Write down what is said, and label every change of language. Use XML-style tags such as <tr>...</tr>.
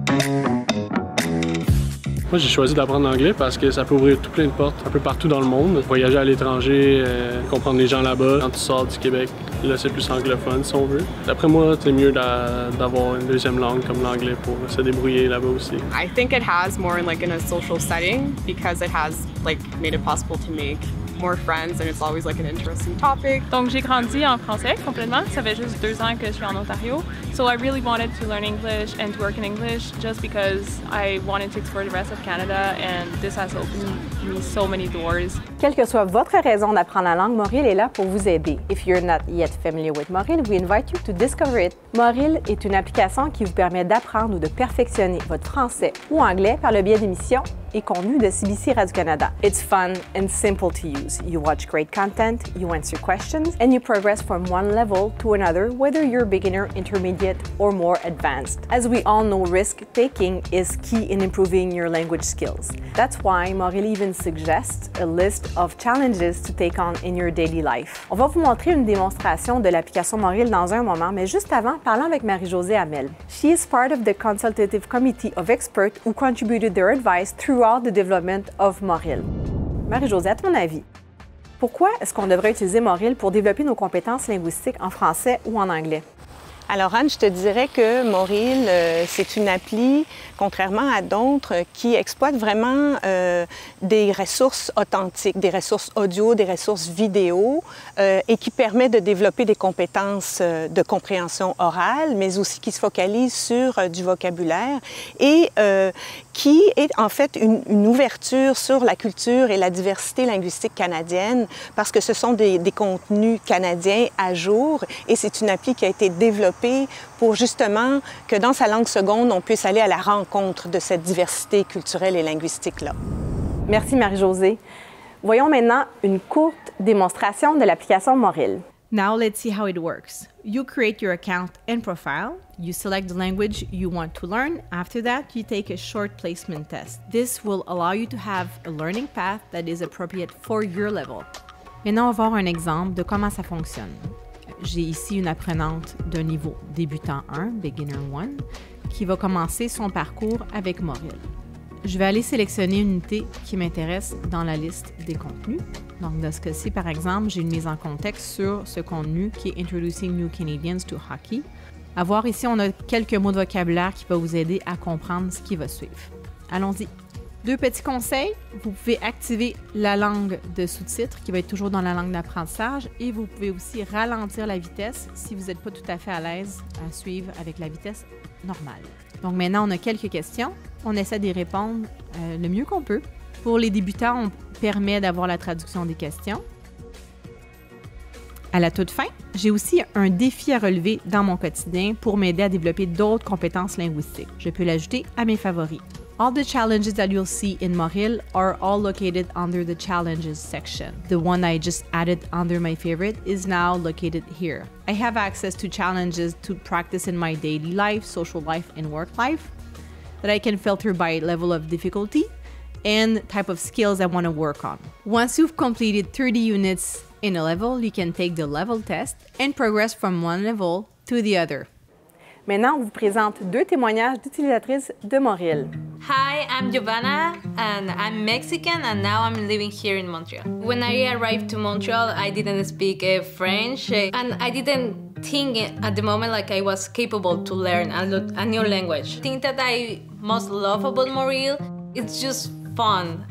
<fr>Moi, j'ai choisi d'apprendre l'anglais parce que ça peut ouvrir tout plein de portes un peu partout dans le monde. Voyager à l'étranger, comprendre les gens là-bas. Quand tu sors du Québec, là, c'est plus anglophone, si on veut. D'après moi, c'est mieux d'avoir une deuxième langue comme l'anglais pour se débrouiller là-bas aussi.</fr> <en>I think it has more in like in a social setting because it has like made it possible to make more friends and it's always like an interesting topic.</en> <fr>Donc j'ai grandi en français complètement. Ça fait juste 2 ans que je suis en Ontario.</fr> <en>So I really wanted to learn English and to work in English just because I wanted to explore the rest of Canada and this has opened me so many doors.</en> <fr>Quelle que soit votre raison d'apprendre la langue, Morrill est là pour vous aider.</fr> <en>If you're not yet familiar with Morrill, we invite you to discover it.</en> <fr>Morrill est une application qui vous permet d'apprendre ou de perfectionner votre français ou anglais par le biais d'émissions et contenu de CBC Radio-Canada.</fr> <en>It's fun and simple to use. You watch great content, you answer questions, and you progress from one level to another, whether you're beginner, intermediate, or more advanced. As we all know, risk-taking is key in improving your language skills. That's why Morrill even suggests a list of challenges to take on in your daily life.</en> <fr>On va vous montrer une démonstration de l'application Morrill dans un moment, mais juste avant, parlons avec Marie-Josée Hamel.</fr> <en>She is part of the consultative committee of experts who contributed their advice throughout the development of Morrill.</en> <fr>Marie-Josée, à ton avis, pourquoi est-ce qu'on devrait utiliser Morrill pour développer nos compétences linguistiques en français ou en anglais? Alors Anne, je te dirais que Morrill, c'est une appli, contrairement à d'autres, qui exploite vraiment des ressources authentiques, des ressources audio, des ressources vidéo, et qui permet de développer des compétences de compréhension orale, mais aussi qui se focalise sur du vocabulaire et qui est en fait une ouverture sur la culture et la diversité linguistique canadienne, parce que ce sont des contenus canadiens à jour, et c'est une appli qui a été développée pour justement que dans sa langue seconde, on puisse aller à la rencontre de cette diversité culturelle et linguistique-là. Merci Marie-Josée. Voyons maintenant une courte démonstration de l'application Morrill.</fr> <en>Now let's see how it works. You create your account and profile. You select the language you want to learn. After that, you take a short placement test. This will allow you to have a learning path that is appropriate for your level.</en> <fr>Maintenant, on va voir un exemple de comment ça fonctionne. J'ai ici une apprenante d'un niveau débutant 1, Beginner 1, qui va commencer son parcours avec Morrill. Je vais aller sélectionner une unité qui m'intéresse dans la liste des contenus. Donc, dans ce cas-ci, par exemple, j'ai une mise en contexte sur ce contenu qui est « Introducing New Canadians to Hockey ». À voir ici, on a quelques mots de vocabulaire qui peuvent vous aider à comprendre ce qui va suivre. Allons-y! Deux petits conseils, vous pouvez activer la langue de sous-titres qui va être toujours dans la langue d'apprentissage et vous pouvez aussi ralentir la vitesse si vous n'êtes pas tout à fait à l'aise à suivre avec la vitesse normale. Donc maintenant, on a quelques questions. On essaie d'y répondre le mieux qu'on peut. Pour les débutants, on permet d'avoir la traduction des questions. À la toute fin, j'ai aussi un défi à relever dans mon quotidien pour m'aider à développer d'autres compétences linguistiques. Je peux l'ajouter à mes favoris.</fr> <en>All the challenges that you'll see in Morrill are all located under the challenges section. The one I just added under my favorite is now located here. I have access to challenges to practice in my daily life, social life, and work life that I can filter by level of difficulty and type of skills I want to work on. Once you've completed 30 units in a level, you can take the level test and progress from one level to the other.</en> <fr>Maintenant, on vous présente deux témoignages d'utilisatrices de Morrill.</fr> <en>Hi, I'm Giovanna, and I'm Mexican, and now I'm living here in Montreal. When I arrived to Montreal, I didn't speak French, and I didn't think at the moment like I was capable to learn a new language. The thing that I most love about Morrill, it's just fun.</en>